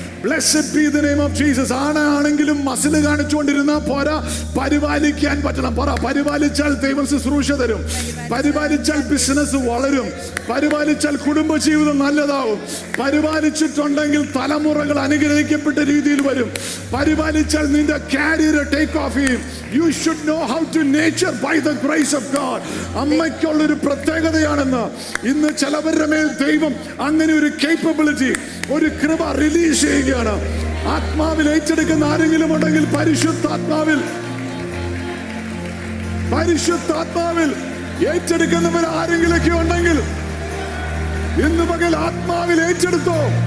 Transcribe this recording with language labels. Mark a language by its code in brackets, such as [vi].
[en] Blessed be the name of Jesus. [ml] ആണാണെങ്കിലും muscle കാണിച്ചുകൊണ്ടിരുന്ന പോരാ, പരിപാലിക്കാൻ പറ്റണം. പറ, പരിപാലിച്ചാൽ ദൈവം ശുശ്രൂഷ തരും, പരിപാലിച്ചാൽ ബിസിനസ് വളരും, പരിപാലിച്ചാൽ കുടുംബജീവിതം നല്ലതാവും, പരിപാലിച്ചിട്ടുണ്ടെങ്കിൽ തലമുറകൾ അനുഗ്രഹിക്കപ്പെട്ട രീതിയിൽ വരും, പരിപാലിച്ചാൽ നിന്റെ കരിയർ ടേക്ക് ഓഫ് ചെയ്യും. [en] You should know how to nurture by the grace of God. [ml] അമ്മയ്ക്കുള്ള ഒരു പ്രത്യേകതയാണെന്ന് ഇന്ന് ചിലവരുടെ മേൽ ദൈവം അങ്ങനെ ഒരു കേപ്പബിലിറ്റി, ഒരു കൃപ റിലീസ് ചെയ്യുകയാണ്. ആത്മാവിൽ ഏറ്റെടുക്കുന്ന ആരെങ്കിലും ഉണ്ടെങ്കിൽ പരിശുദ്ധാത്മാവിൽ, പരിശുദ്ധാത്മാവിൽ ഏറ്റെടുക്കുന്നവർ ആരെങ്കിലൊക്കെ ഉണ്ടെങ്കിൽ ഇന്ന് പകൽ ആത്മാവിൽ ഏറ്റെടുത്തോ.